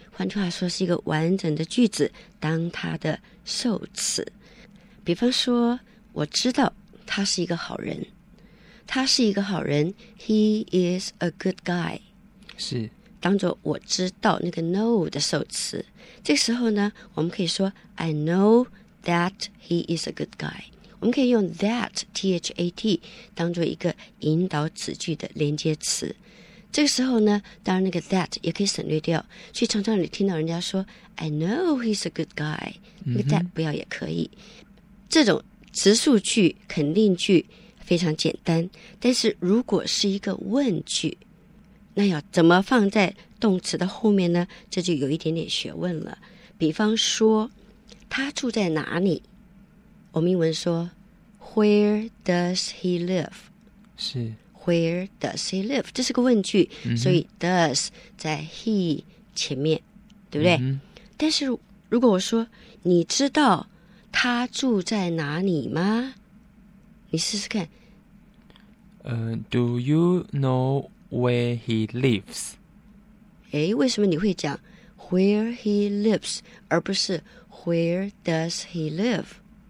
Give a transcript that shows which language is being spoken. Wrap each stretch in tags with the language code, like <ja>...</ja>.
<zh>换句话说是一个完整的句子当它的受词。比方说我知道他是一个好人。他是一个好人。</zh> <en>He is a good guy.</en> <zh>是。当作我知道那个 know 的受词。这个时候呢我们可以说</zh> <en>I know that he is a good guy.</en> <zh>我们可以用 that 当作一个引导子句的连接词。这个时候呢，当然那个 that 也可以省略掉。所以常常你听到人家说</zh> <en>I know he's a good guy，</en> <zh>那个 that 不要也可以。这种直述句、肯定句非常简单，但是如果是一个问句，那要怎么放在动词的后面呢？这就有一点点学问了。比方说，他住在哪里？</zh> <en>我们英文说 Where does he live?</en> <zh>是</zh> <en>Where does he live?</en> <zh>这是个问句、所以 does 在 he 前面对不对、但是如果我说你知道他住在哪里吗你试试看、</zh> <en>Do you know where he lives? 诶为什么你会讲 Where he lives 而不是 Where does he live?</en>